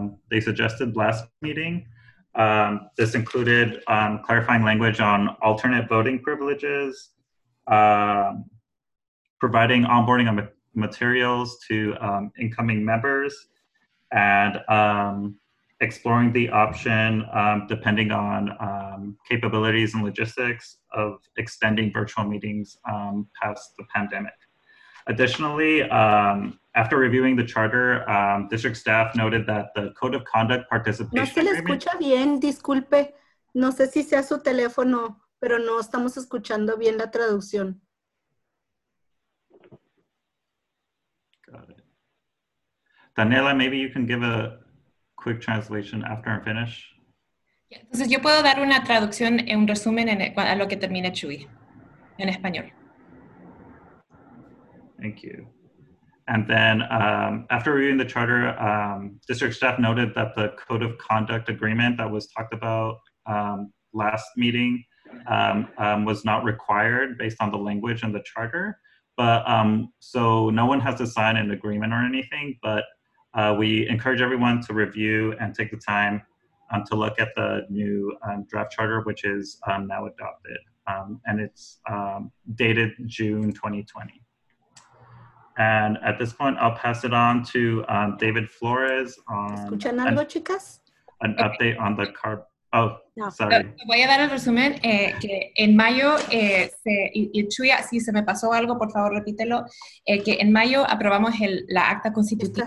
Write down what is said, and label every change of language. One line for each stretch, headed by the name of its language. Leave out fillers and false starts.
English: They suggested last meeting. This included clarifying language on alternate voting privileges, providing onboarding on materials to incoming members, and exploring the option, depending on capabilities and logistics, of extending virtual meetings past the pandemic. Additionally, after reviewing the charter, district staff noted that the code of conduct participation.
Spanish: No se le escucha bien, disculpe. No sé si sea su teléfono, pero no estamos escuchando bien la traducción.
English: Daniela, maybe you can give a quick translation after I finish.
Spanish: Yeah, entonces yo puedo dar una traducción, un resumen a lo que termine Chuy, en español.
English: Thank you. And then after reviewing the charter, district staff noted that the code of conduct agreement that was talked about last meeting was not required based on the language and the charter. But so no one has to sign an agreement or anything, but we encourage everyone to review and take the time to look at the new draft charter, which is now adopted. And it's dated June 2020. And at this point, I'll pass it on to David Flores on an update on the CARB.
Spanish: Voy a dar el resumen que en mayo Chuya, si se me pasó algo, por favor repítelo, que en mayo aprobamos la acta constitutiva.